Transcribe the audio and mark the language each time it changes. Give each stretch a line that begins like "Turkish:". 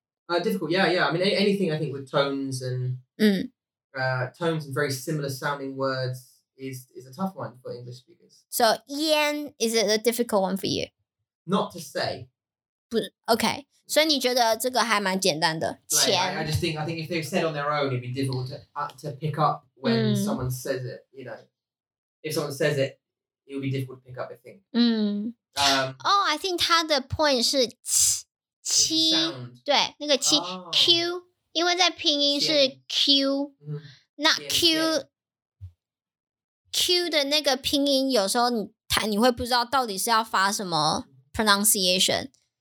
English: Difficult, yeah, yeah. I mean, anything I think with tones and、tones and very similar sounding words is a tough one for English speakers. So, 烟 is it a difficult one for you? Not to say. But, okay.
Chinese: 所以你觉得这个还蛮简单的，钱。
English: I just think, I think if they've said on their own, it'd be difficult to pick up when、someone says it, you know. If someone says it, it would be difficult to pick up, I think.、
Chinese: Oh, I think 他的 point 是七，对，那个七、Q, 因为在拼音是 Q,
English: not Q,
Chinese: Q 的那个拼音有时候 你会不知道到底是要发什么 pronunciation。